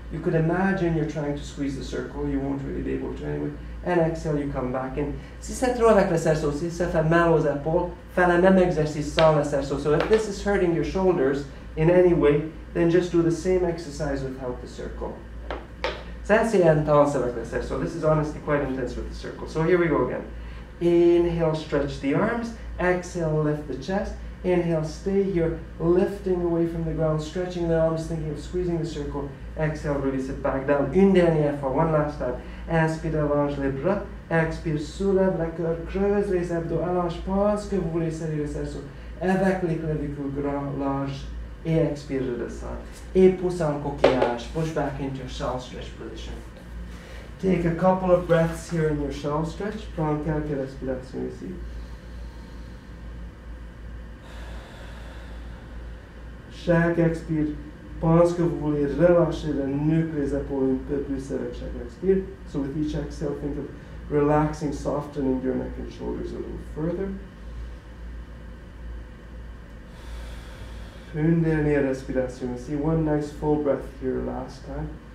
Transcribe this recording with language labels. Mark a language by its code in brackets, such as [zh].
[en] You could imagine you're trying to squeeze the circle, you won't really be able to anyway. And exhale, you come back in. [fr] Si c'est trop avec le cerceau, si ça fait mal aux épaules, fais le même exercice sans le cerceau. [en] So if this is hurting your shoulders in any way, then just do the same exercise without the circle. That's intense [fr] avec le cerceau. [en] This is honestly quite intense with the circle. So here we go again. Inhale, stretch the arms. Exhale, lift the chest. Inhale, stay here, lifting away from the ground, stretching the arms, thinking of squeezing the circle. Exhale, release it back down. [fr] Une dernière fois, [en] one last time. [fr] Inspire, allonge les bras. Expire, soulève le cœur, creuse les abdos. Allonge, pense que vous voulez serrer le cerceau. Avec les clavicules grand, large. Et expire, redescend. Et pousse en coquillage. [en] Push back into your shell stretch position. Take a couple of breaths here in your shell stretch. [fr] Prends quelques respirations ici. Chaque expire, pense que vous voulez relâcher le nuque, les épaules un peu plus avec chaque expire. [en] So with each exhale, think of relaxing, softening your neck and shoulders a little further. [fr] Une dernière respiration ici. [en] One nice full breath here last time.